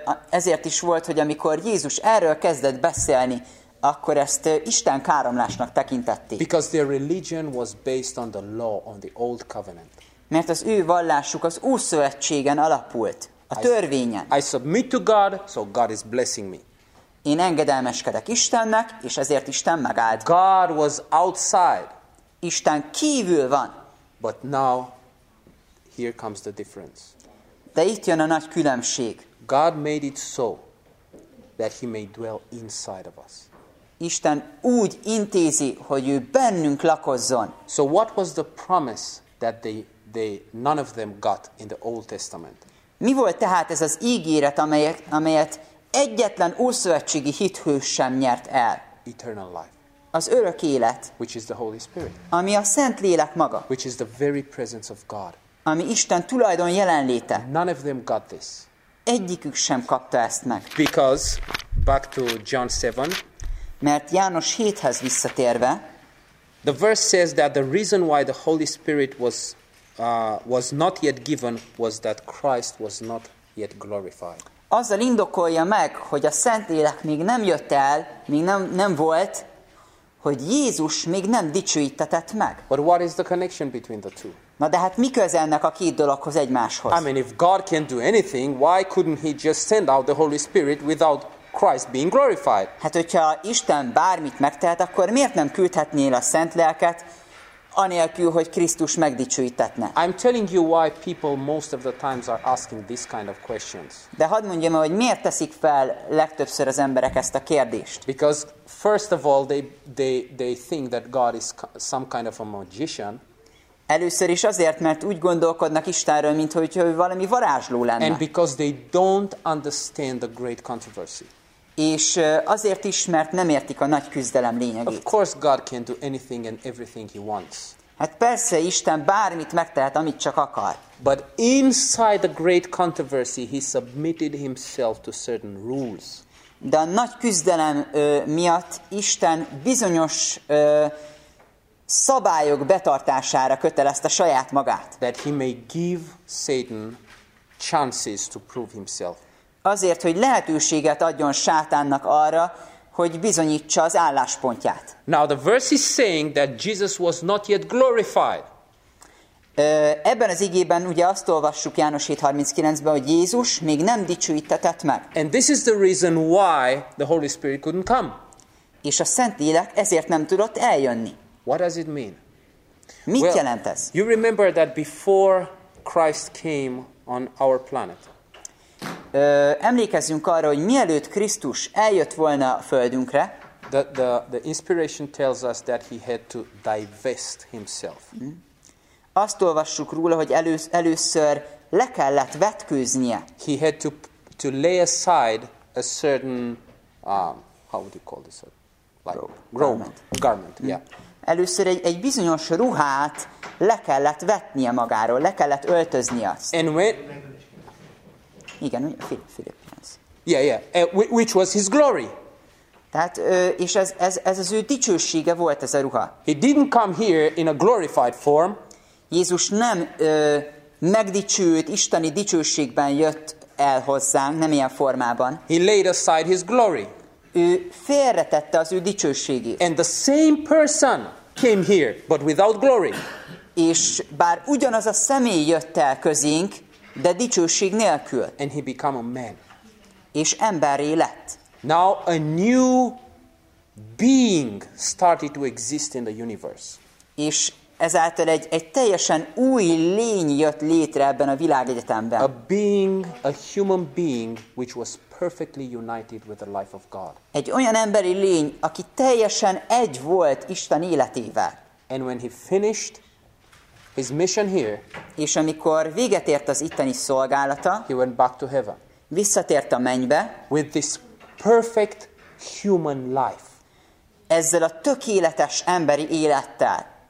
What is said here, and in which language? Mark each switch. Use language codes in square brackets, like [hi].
[hu] Ezért is volt, hogy amikor Jézus erről kezdett beszélni, akkor ezt Isten káromlásnak tekintették. [en] Because their religion was based on the law, on the old covenant. [hu] Mert az ő vallásuk az Ószövetségen alapult, a törvényen. [en] I submit to God, so God is blessing me. [hu] Én engedelmeskedek Istennek, és ezért Isten megáld. [en] God was outside. [hu] Isten kívül van. [en] But now, here comes the difference. [hu] De itt jön a nagy különbség. [en] God made it so that he may dwell inside of us. [hu] Isten úgy intézi, hogy ő bennünk lakozzon. [en] So what was the promise that they none of them got in the Old Testament? [hu] Mi volt tehát ez az ígéret, amelyet egyetlen ószövetségi hithős sem nyert el? [en] Eternal life. [hu] Az örök élet. [en] Which is the Holy Spirit. [hu] Ami a Szentlélek maga. [en] Which is the very presence of God. [hu] Ami Isten tulajdon jelenléte. [en] None of them got this. [hu] egyikük sem kapta ezt meg. [en] Because back to John 7. [hu] Mert János 7-hez visszatérve, [en] the verse says that the reason why the Holy Spirit was not yet given was that Christ was not yet glorified. [hu] Azzal indokolja meg, hogy a Szentlélek még nem jött el, még nem volt, hogy Jézus még nem dicsőítetett meg. [en] But what is the connection between the two? [hu] Na de hát mi köze ennek a két dologhoz egymáshoz? [en] I mean, if God can do anything, why couldn't he just send out the Holy Spirit without Christ being glorified? [hu] Hát hogyha Isten bármit megtehet, akkor miért nem küldhetné el a Szentlélket, anélkül, hogy Krisztus megdicsőítetne? [en] I'm telling you why people most of the times are asking this kind of questions. [hu] De hadd mondjam, hogy miért teszik fel legtöbbször az emberek ezt a kérdést? [en] Because first of all they think that God is some kind of a magician. [hu] Először is azért, mert úgy gondolkodnak Istenről, mint hogy ő valami varázsló lenne. [en] And because they don't understand the great controversy. [hu] És azért is, mert nem értik a nagy küzdelem lényegét. [en] Of course God can do anything and everything he wants. [hu] Hát persze Isten bármit megtehet, amit csak akar. [en] But inside the great controversy he submitted himself to certain rules. [hu] De a nagy küzdelem miatt Isten bizonyos szabályok betartására kötelezte a saját magát. [en] That he may give Satan chances to prove himself. [hu] Azért, hogy lehetőséget adjon Sátánnak arra, hogy bizonyítsa az álláspontját. [en] Now the verse is saying that Jesus was not yet glorified. [hu] Ebben az igében ugye azt olvassuk János 7:39-ben, hogy Jézus még nem dicsőítetett meg. [en] And this is the reason why the Holy Spirit couldn't come. [hu] És a Szentlélek ezért nem tudott eljönni. [en] What does it mean? [hu] Mit jelent ez? [en] You remember that before Christ came on our planet. [hu] Emlékezzünk arra, hogy mielőtt Krisztus eljött volna a földünkre, [en] the inspiration tells us that he had to divest himself. [hu] Azt olvassuk róla, hogy először le kellett vetkőznie. [en] He had to lay aside a certain how would you call this? Like garment. Yeah. [hu] Először egy bizonyos ruhát le kellett vetnie magáról, le kellett öltöznie azt. [en] And when, [hu] igen, ugye, Philippians. [en] Yeah. Which was his glory. [hu] Tehát, és ez az ő dicsősége volt, ez a ruha. [en] He didn't come here in a glorified form. [hu] Jézus nem megdicsőt, isteni dicsőségben jött el hozzánk, nem ilyen formában. [en] He laid aside his glory. [hu] Ő félretette az ő dicsőségét. [en] And the same person came here, but without glory. [hu] És bár ugyanaz a személy jött el közénk, de dicsőség nélkül. [en] And he became a man. [hu] És emberré lett. [en] Now a new being started to exist in the universe. [hu] És ezáltal egy teljesen új lény jött létre ebben a világegyetemben. [en] A being, a human being, which was perfectly united with the life of God. [hu] Egy olyan emberi lény, aki teljesen egy volt Isten életével. [en] And when he finished his mission here, [hu] és amikor véget ért az itteni szolgálata, [en] he went back to heaven. [hu] Visszatért a mennybe, [en] with this perfect human life. [hu] Ezzel a tökéletes emberi élettel.